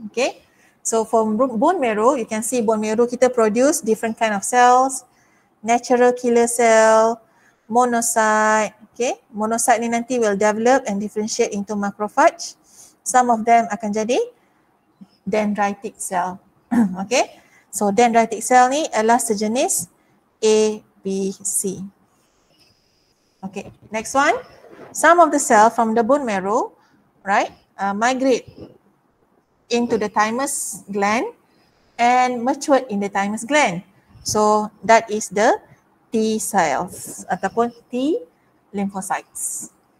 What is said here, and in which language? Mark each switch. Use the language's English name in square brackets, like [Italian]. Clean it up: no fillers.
[English] Okay? So from bone marrow, you can see bone marrow kita produce different kind of cells, natural killer cell, monocyte. Okay? Monocyte ni nanti will develop and differentiate into macrophage. Some of them [Malay] akan jadi [English] dendritic cell. Okay? [Malay] So dendritic cell ni adalah sejenis ABC. [English] Okay, next one. Some of the cell from the bone marrow, right, migrate into the thymus gland and mature in the thymus gland. So that is the T cells ataupun T lymphocytes.